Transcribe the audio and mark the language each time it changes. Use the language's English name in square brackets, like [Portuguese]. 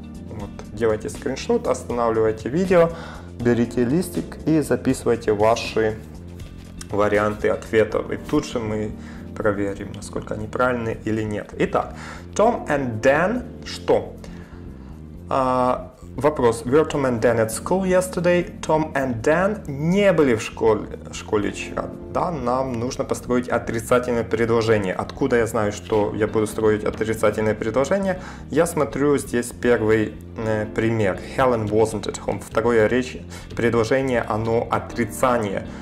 [Russian] Вот, делайте скриншот, останавливайте видео, берите листик и записывайте ваши варианты ответов. И тут же мы проверим, насколько они правильные или нет. Итак, Tom and Dan, что? Вопрос. [English] Were Tom and Dan at school yesterday? [Russian] Tom and Dan не были в школе вчера. Да, нам нужно построить отрицательное предложение. Откуда я знаю, что я буду строить отрицательное предложение? Я смотрю здесь первый пример. [English] Helen wasn't at home. [Russian] Второе речь, предложение, оно отрицание.